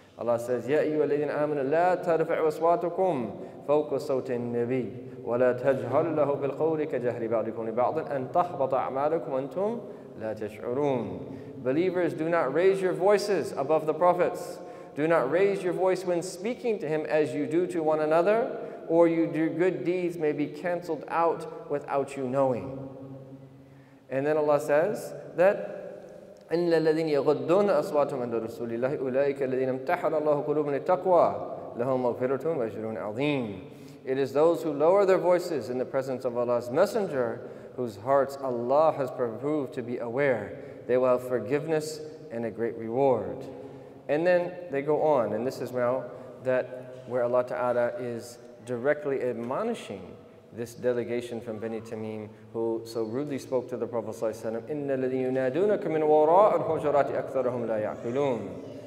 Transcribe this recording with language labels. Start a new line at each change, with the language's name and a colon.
English: Allah says,
Arabic: يَا أَيُّهَا الَّذِينَ آمَنُوا لَا تَرْفَعُوا أَصْوَاتَكُمْ فَوْقَ صَوْتِ النَّبِيِّ وَلَا تَجْهَرُوا لَهُ بِالْقَوْلِ كَجَهْرِ بَعْضِكُمْ لِبَعْضٍ أَن تَحْبَطَ أَعْمَالُكُمْ وَأَنْتُمْ لَا تَشْعُرُونَ.
English: Believers, do not raise your voices above the prophets. Do not raise your voice when speaking to him as you do to one another, or your good deeds may be cancelled out without you knowing. And then Allah says that
Arabic: إِنَّ الَّذِينَ يَغُدُّونَ أَصْوَاتُهُمْ عِنْدَ رَسُولِ اللَّهِ أُولَٰئِكَ الَّذِينَ امْتَحَنَ اللَّهُ قُلُوبَهُمْ لِلتَّقْوَىٰ لَهُمْ مَغْفِرَةٌ وَأَجْرٌ عَظِيمٌ.
English: It is those who lower their voices in the presence of Allah's Messenger, whose hearts Allah has proved to be aware. They will have forgiveness and a great reward. And then they go on, and this is now that where Allah Ta'ala is directly admonishing this delegation from Bani Tamim, who so rudely spoke to the Prophet ﷺ,
Arabic: إِنَّ الَّذِينَ يُنَادُونَكَ مِنْ وَرَاءِ الْحُجُرَاتِ أَكْثَرُهُمْ لَا يَعْقِلُونَ.